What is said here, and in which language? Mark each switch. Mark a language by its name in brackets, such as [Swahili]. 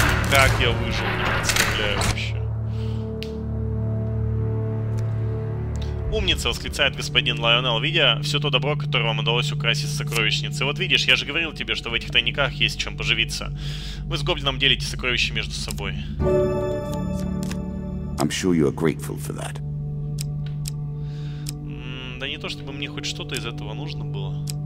[Russian] Как я выжил, не представляю вообще. Умница, восклицает господин Лайонелл, видя все то добро, которое вам удалось украсить с сокровищницы. Вот видишь, я же говорил тебе, что в этих тайниках есть чем поживиться. Вы с гоблином делите сокровища между собой. [English] I'm sure you are grateful for that. [Russian] Да не то, чтобы мне хоть что-то из этого нужно было.